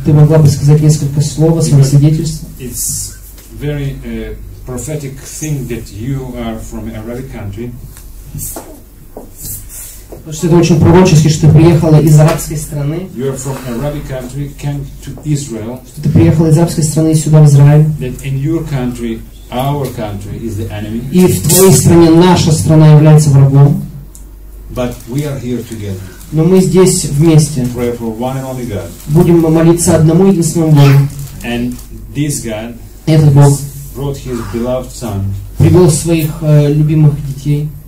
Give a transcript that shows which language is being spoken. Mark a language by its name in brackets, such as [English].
[Russian] Ты могла бы сказать несколько слов о своем свидетельстве? [English] It's very prophetic thing that you are from an Arabic country. [Russian] Это очень пророчески, что ты приехала из арабской страны. [English] You are from an Arabic country, came to Israel. [Russian] Что ты приехала из арабской страны сюда в Израиль. [English] That in your country, our country is the enemy. [Russian] И в твоей стране наша страна является врагом. [English] But we are here together. [Russian] Но мы здесь вместе. [English] Pray for one and only God. [Russian] Будем молиться одному единственному Богу. [English] And this God. [Russian] Этот Бог. [English] Brought his beloved son. [Russian] Привел своих любимых детей.